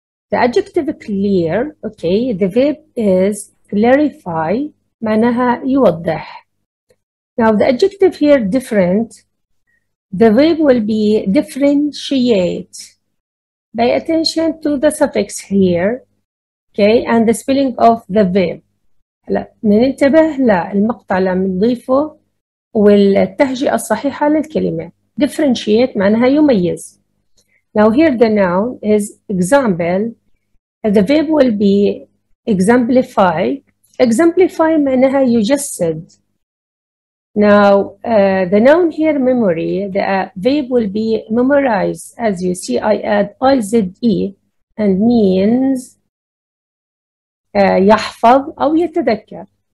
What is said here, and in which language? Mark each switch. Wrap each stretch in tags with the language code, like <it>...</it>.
<en>The adjective clear, okay, the verb is clarify,</en> <ar>معناها يوضح.</ar> <en>Now the adjective here different, the verb will be differentiate. Pay attention to the suffix here, okay, and the spelling of the verb.</en> <ar>هلا ننتبه للمقطع اللي نضيفه والتهجئة الصحيحة للكلمة. Differentiate معناها يميز.</ar> <en>Now here the noun is example. The verb will be exemplify.</en> <ar>Exemplify معناها يجسد.</ar> <en>Now the noun here memory. The verb will be memorize. As you see I add I-Z-E and means</en> <ar>يحفظ أو يتذكر.</ar>